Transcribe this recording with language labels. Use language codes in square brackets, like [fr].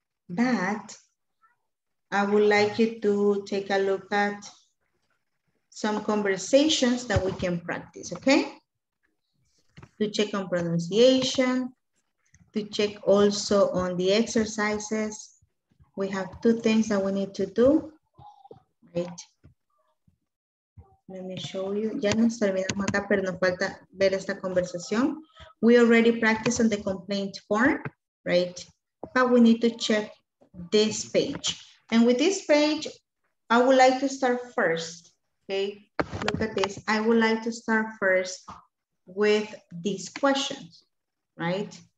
[en] But I would like you to take a look at some conversations that we can practice, okay? To check on pronunciation, to check also on the exercises. We have two things that we need to do. Right. Let me show you. [es] Ya nos terminamos acá, pero nos falta ver esta conversación. [en] We already practiced on the complaint form, right? But we need to check this page. And with this page, I would like to start first. Okay, look at this. I would like to start first with these questions, right?